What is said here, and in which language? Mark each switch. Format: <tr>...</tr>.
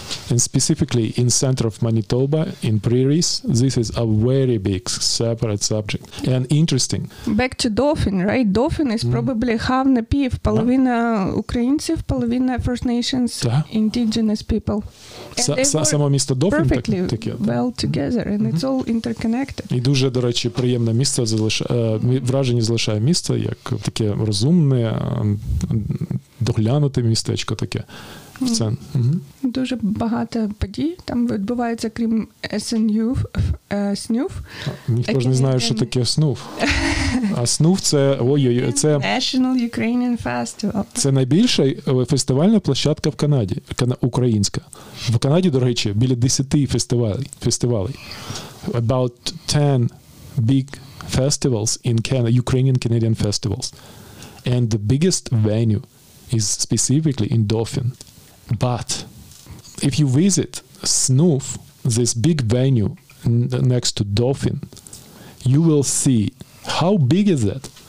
<en>And specifically in center of Manitoba, in Prairies, this is a very big separate subject and interesting. Back to Dauphin, right? Dauphin is probably half</en> <uk>на пів, половина українців, половина</uk> <en>First Nations, indigenous people.</en> <uk>Саме місто Dauphin</uk> <en>perfectly так, well together and it's all interconnected.</en> <uk>І дуже, до речі, приємне місце, враження залишає місто, як таке розумне, доглянути містечко таке. Це. Дуже багато подій там відбувається, крім СНЮВ, СНЮВ. Ніхто ж не знає, що таке СНУВ. А СНУВ – це... це</uk> <en>National Ukrainian Festival.</en> <uk>Це найбільша фестивальна площадка в Канаді, українська. В Канаді, до речі, біля 10 фестивалів.</uk> <en>About 10 big festivals in Canada, Ukrainian-Canadian festivals. And the biggest venue is specifically in Dauphin. But if you visit SNUF, this big venue next to Dauphin, you will see how big is it.</en>